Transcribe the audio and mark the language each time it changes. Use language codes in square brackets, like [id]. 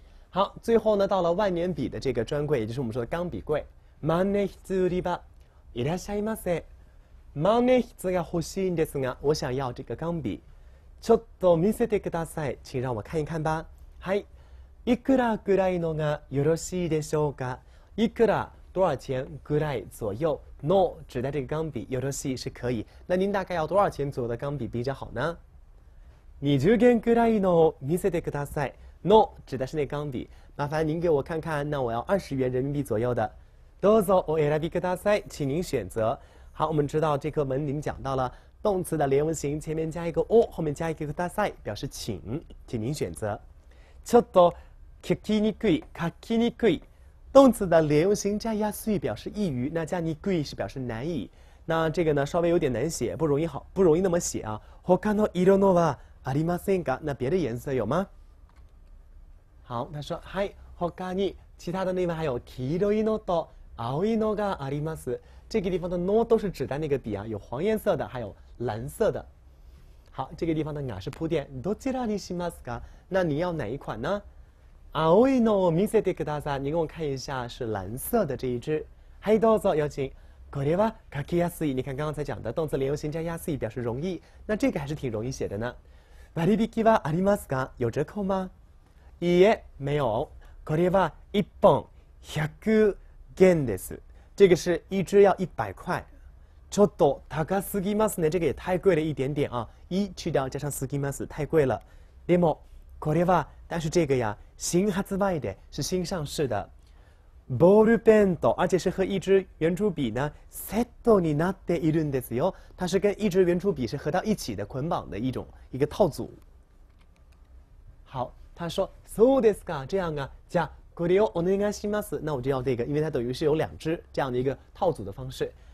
[zh] 好，最后呢，到了万年笔的这个专柜，也就是我们说的钢笔柜。 [ja] 万年筆売り場。いらっしゃいませ。万年筆が欲しいんですが， [zh] 我想要这个钢笔。 [ja] ちょっと見せてください。 [zh] 请让我看一看吧。 [ja] はい。いくらぐらいのがよろしいでしょうか？いくら [zh] 多少钱？ [ja] ぐらい [zh] 左右。の指的这个钢笔，よろしい是可以。那您大概要多少钱左右的钢笔比较好呢？ [ja] 20元ぐらいの見せてください。 [zh] の指的是那钢笔。麻烦您给我看看，那我要20元人民币左右的。 [ja] どうぞお選びください。 [zh] 请您选择。好，我们知道这课文您讲到了。动词的连用型前面加一个お，后面加一个ください，表示请，请您选择。 [ja] ちょっと聞きにくい、書きにくい。 [zh] 动词的连用型加やすい表示易于，那加にくい是表示难以。那这个呢，稍微有点难写，不容易那么写啊。 [ja] 他の色のはありませんか？ [zh] 那别的颜色有吗？好，他说， [ja] はい、他に [zh] 其他的另外还有 [ja] 黄色いのと青いのがあります。 [zh] 这个地方的の都是指的那个笔啊，有黄颜色的，还有蓝色的。好，这个地方的が是铺垫。 [ja] どちらにしますか？ [zh] 那你要哪一款呢？ [ja] 青いのを見せてください。 [zh] 你给我看一下，是蓝色的这一支。 [ja] はい、どうぞ、 [zh] 有请。 [ja] これは書きやすい。 [zh] 你看刚刚才讲的动词连用形加やすい表示容易，那这个还是挺容易写的呢。 [ja] 割引はありますか？ [zh] 有折扣吗？ [ja] いいえ、 [zh] 没有。 [ja] これは一本百元です。 [zh] 这个是一支要100块。 [ja] ちょっと高すぎますね。 [zh] 这个也太贵了一点点啊。一去掉加上すぎます，太贵了。 [ja] でもこれは [zh] 但是这个呀， [ja] 新発売で [zh] 是新上市的。 [ja] ボールペンと [zh] 而且是和一支圆珠笔呢 [ja] セットになっているんですよ。 [zh] 它是跟一支圆珠笔是合到一起的捆绑的一个套组。好。他说 [ja] そうですか [zh] 这样啊 [ja] じゃあこれをお願いします [zh] 那我就要这个因为它等于是有两只这样的一个套组的方式